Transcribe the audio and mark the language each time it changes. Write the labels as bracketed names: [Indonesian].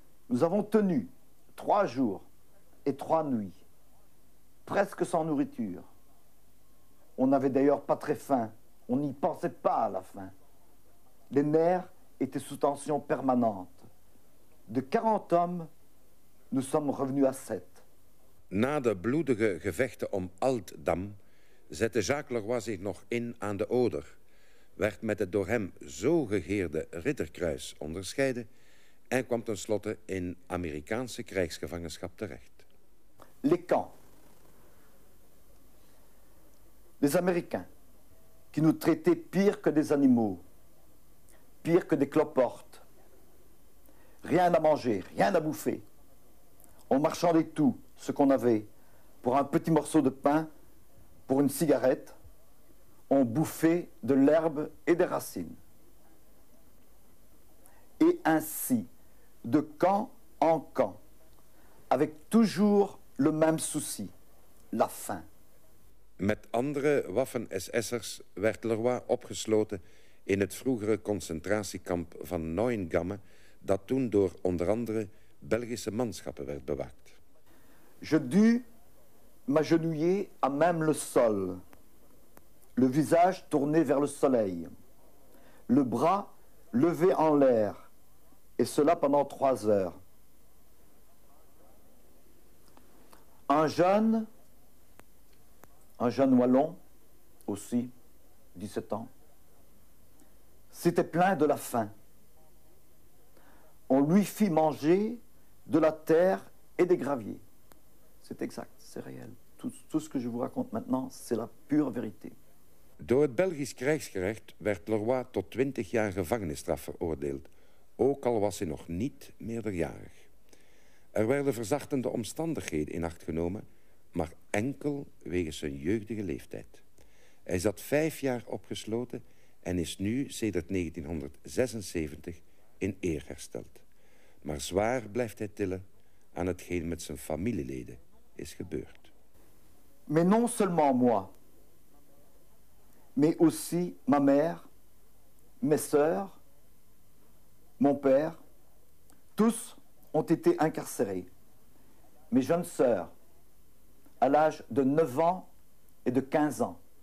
[French] Nous avons tenu 3 jours et 3 nuits, presque sans nourriture. On n'avait d'ailleurs pas très faim, on n'y pensait pas à la faim. Les nerfs étaient sous tension permanente. De 40 hommes, nous sommes revenus à 7. [Dutch] Na de bloedige gevechten om Aldam zette Jacques Leroy zich nog in aan de Oder, werd met het door hem zo gegeerde Ritterkruis onderscheiden en kwam tenslotte in Amerikaanse krijgsgevangenschap terecht. [French] Les camps. Les Américains, qui nous traitaient pire que des animaux, pire que des cloportes. Rien à manger, rien à bouffer. On marchandait tout ce qu'on avait pour un petit morceau de pain, pour une cigarette. On bouffait de l'herbe et des racines. Et ainsi, de camp en camp, avec toujours le même souci, la faim. [Dutch] Met andere Waffen-SS'ers werd Leroy opgesloten in het vroegere concentratiekamp van Neuengamme, dat toen door onder andere Belgische manschappen werd bewaakt. [French] Je dus m'agenouiller à même le sol, le visage tourné vers le soleil, le bras levé en l'air, et cela pendant 3 heures. Un jeune wallon, aussi, 17 ans, s'était plaint de la faim. On lui fit manger de la terre et des graviers. C'est exact, c'est réel. Tout ce que je vous raconte maintenant, c'est la pure vérité. [Dutch] Door het Belgisch krijgsgerecht werd Leroy tot 20 jaar gevangenisstraf veroordeeld, ook al was hij nog niet meerderjarig. Er werden verzachtende omstandigheden in acht genomen, maar enkel wegens zijn jeugdige leeftijd. Hij zat 5 jaar opgesloten en is nu sedert 1976 in eer hersteld. Maar zwaar blijft hij tillen aan hetgeen met zijn familieleden is gebeurd. [French] Maar non seulement moi, mais aussi ma mère, mes sœurs, mon père, tous ont été incarcérés. Mes jeunes sœurs, à l'âge de 9 ans et de 15 ans.